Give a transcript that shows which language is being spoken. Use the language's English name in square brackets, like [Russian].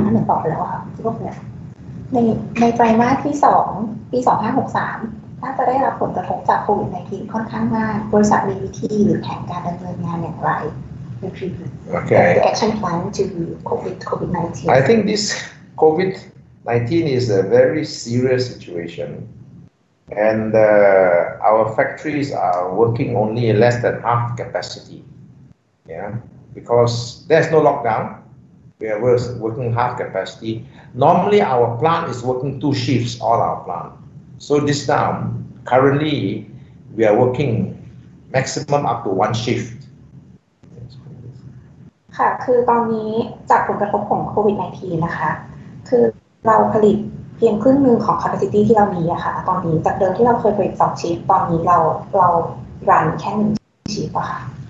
[Thai] ตอบแล้วค่ะทุกคนเนี่ยในไตรมาสที่2ปี2563น่าจะได้รับผลกระทบจากโควิดในทีมค่อนข้างมากบริษัทมีวิธีหรือแผนการดำเนินงานอย่างไร โอเค [English] action plan to COVID 19 I think this COVID 19 is a very serious situation and our factories are working only less than half capacity yeah because there's no lockdown we are working half capacity normally our plant is working two shifts all our plant so this time currently we are working maximum up to one shift [Thai] ค่ะคือตอนนี้จากผลกระทบของโควิด-19 นะคะคือเราผลิตเพียงครึ่งนึงของ capacity ที่เรามีอะค่ะตอนนี้จากเดิมที่เราเคยผลิต2ชิฟต์ตอนนี้เรารันแค่1ชิฟต์อะค่ะ